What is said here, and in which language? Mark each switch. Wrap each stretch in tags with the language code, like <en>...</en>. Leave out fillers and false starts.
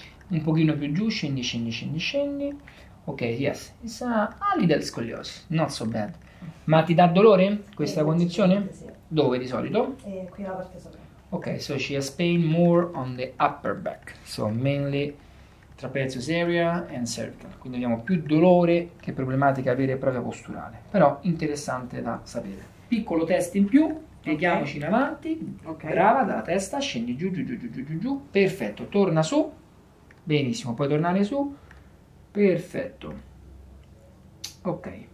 <it>Un pochino più giù, scendi, scendi, scendi, scendi.</it> <en>Ok, yes, it's a little scoliosis, not so bad.</en> <it>Ma ti dà dolore questa Leggermente, condizione? sì. E Dove di solito? qui la parte sopra.</it> <en>Ok, so she has pain more on the upper back, so mainly trapezius area and cervical.</en> <it>Quindi abbiamo più dolore che problematica vera e propria posturale. Però interessante da sapere. Piccolo test in più, pieghiamoci Ok. in avanti. Brava, dalla testa, scendi giù, giù, giù, giù, giù, giù. Perfetto, torna su. Benissimo, puoi tornare su. Perfetto. Ok.</it>